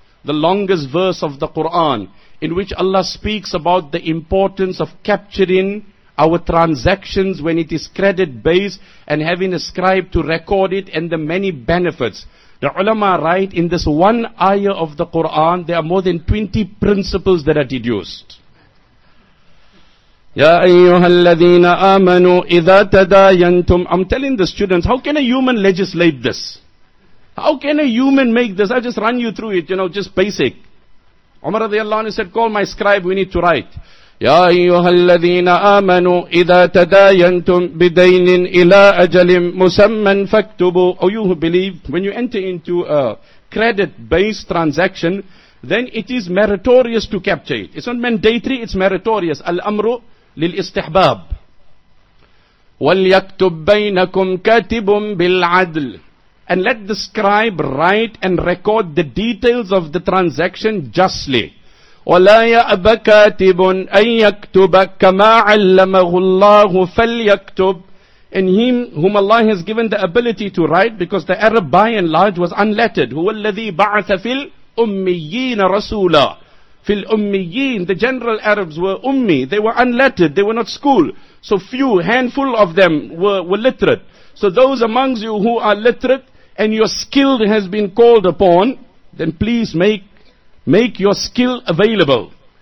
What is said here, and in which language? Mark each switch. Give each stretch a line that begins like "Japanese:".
English: The longest verse of the Quran. In which Allah speaks about the importance of capturing our transactions when it is credit based and having a scribe to record it and the many benefits. The ulama write in this one ayah of the Quran, there are more than 20 principles that are deduced.
Arabic: يا أيها الذين آمنوا إذا تداينتم.
English: I'm telling the students, how can a human legislate this? How can a human make this? I'll just run you through it, you know, just basic. Umar radiallahu anhu said, call my scribe, we need to write.
Arabic: يا أيها الذين آمنوا إذا تداينتم بدين إلى أجل مسمى فاكتبوا.
English: Oh, you who believe, when you enter into a credit-based transaction, then it is meritorious to capture it. It's not mandatory, it's meritorious.
Arabic: Al-amru lil-istihbab. وَلْيَكْتُبْ بَيْنَكُمْ كَاتِبٌ بِالْعَدْلِ.
English: And let the scribe write and record the details of the transaction justly.
Arabic: وَلَا يَأْبَ كَاتِبٌ أَن يَكْتُبَ كَمَا عَلَّمَهُ اللَّهُ فَلْيَكْتُبْ.
English: And him whom Allah has given the ability to write, because the Arab by and large was unlettered.
Arabic: هو الذي بعث في الأميين رسولا.
English: في الأميين, the general Arabs were أمي. They were unlettered. They were not school. So few, handful of them were literate. So those amongst you who are literate and your skill has been called upon, then please make your skill available.